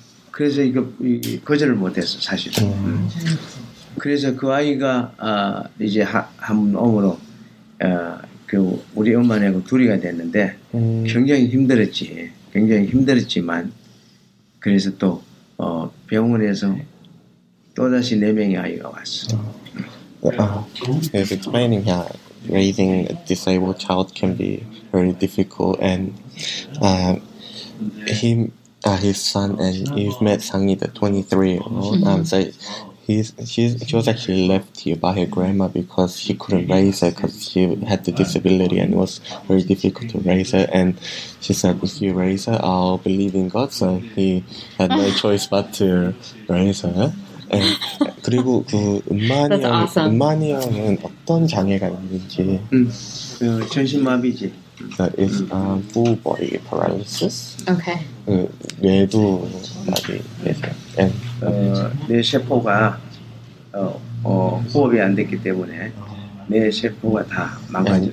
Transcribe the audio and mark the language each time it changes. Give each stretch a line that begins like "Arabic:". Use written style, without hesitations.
Korean: 그래서 이거 거절을 못했어 사실. 그래서 그 아이가 이제 한 엄으로 그 우리 엄마네고 둘이가 됐는데 굉장히 힘들었지. 굉장히 힘들었지만 그래서 또 병원에서 또 다시 네 명의 아이가 왔어.
English: He's explaining how raising a disabled child can be very difficult, and his son, and you've met Sang-Yi, the 23-year-old, so she was actually left here by her grandma because she couldn't raise her because she had the disability and it was very difficult to raise her. And she said, if you raise her, I'll believe in God. So he had no choice but to raise her.
Korean: And 그리고 그 은만이 형, 은만이 형은 어떤 장애가 있는지? 그 전신마비지.
English: That is full body paralysis. Okay.
Korean: 뇌도 마비 되세요. 뇌 세포가 호흡이 안 됐기 때문에 뇌 세포가 다 망가졌어요.